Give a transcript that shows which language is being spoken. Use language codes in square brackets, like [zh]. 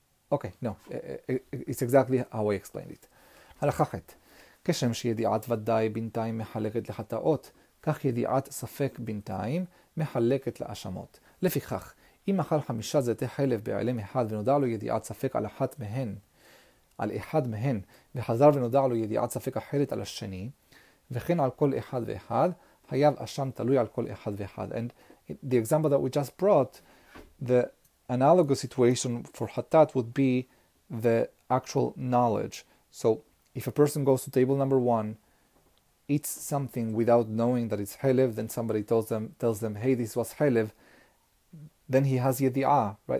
[en] Okay, no, it's exactly how I explained it. [he] הלכה ח', כשם שידיעת ודאי בינתיים מחלקת לחטאות, כך ידיעת ספק בינתיים מחלקת לאשמות. לפיכך, אם אכל חמישה זיתי חלב בעלם אחד ונודע לו ידיעת ספק על אחת מהן, על אחד מהן, וחזר ונודע לו ידיעת ספק אחרת על השני, וכן על כל אחד ואחד, Hayav Asham Talui Al Kol Echad Vehad. [en] And the example that we just brought, the analogous situation for Hatat would be the actual knowledge. So if a person goes to table number one, eats something without knowing that it's Helev, then somebody tells them, hey, this was Helev, then he has Yedi'ah, right?